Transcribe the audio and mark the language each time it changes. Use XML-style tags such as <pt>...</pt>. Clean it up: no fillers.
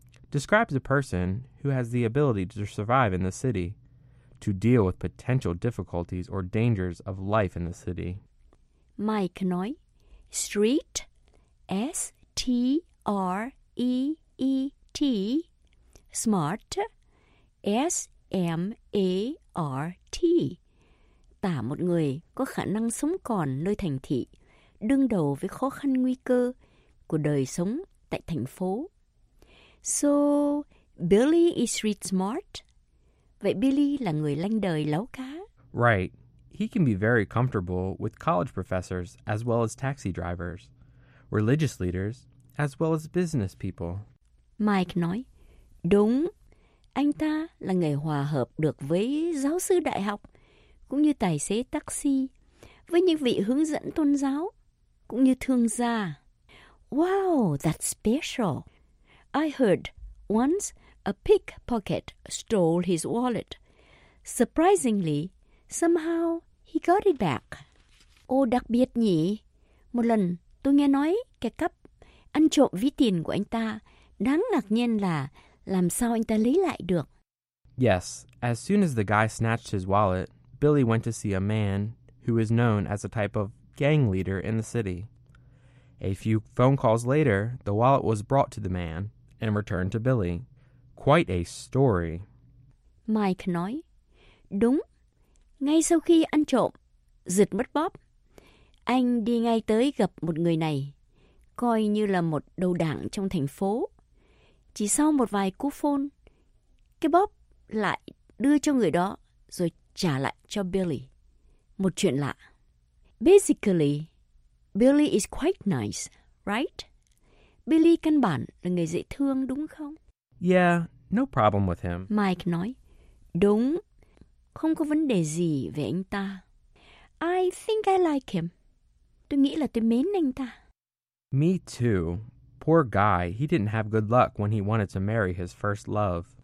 <en>Describes a person who has the ability to survive in the city, to deal with potential difficulties or dangers of life in the city.</en> <vi>Mike nói, street, S-T-R-E-E-T, smart, S-M-A-R-T, tả một người có khả năng sống còn nơi thành thị, đương đầu với khó khăn nguy cơ của đời sống tại thành phố.</vi> <en>So, Billy is street smart?</en> <vi>Vậy Billy là người lanh đời láo cá?</vi> <en>Right. He can be very comfortable with college professors as well as taxi drivers, religious leaders, as well as business people. Mike nói, đúng, anh ta là người hòa hợp được với giáo sư đại học, cũng như tài xế taxi, với những vị hướng dẫn tôn giáo, cũng như thương gia. Wow, that's special. I heard once a pickpocket stole his wallet. Surprisingly, somehow he got it back.</en> <vi>Ô đặc biệt nhỉ? Một lần tôi nghe nói kẻ cắp ăn trộm ví tiền của anh ta, đáng ngạc nhiên là làm sao anh ta lấy lại được?</vi> <en>Yes, as soon as the guy snatched his wallet, Billy went to see a man who is known as a type of gang leader in the city. A few phone calls later, the wallet was brought to the man and returned to Billy. Quite a story.</en> <vi>Mike nói, đúng, ngay sau khi ăn trộm, giật mất bóp, anh đi ngay tới gặp một người này, coi như là một đầu đảng trong thành phố. Chỉ sau một vài cú phone, cái bóp lại đưa cho người đó, rồi trả lại cho Billy. Một chuyện lạ.</vi> <en>Basically, Billy is quite nice, right?</en> <vi>Billy căn bản là người dễ thương, đúng không?</vi> <en>Yeah, no problem with him.</en> <vi>Mike nói, đúng, không có vấn đề gì về anh ta.</vi> <en>I think I like him.</en> <vi>Tôi nghĩ là tôi mến anh ta.</vi> <en>Me too. Poor guy, he didn't have good luck when he wanted to marry his first love.</en>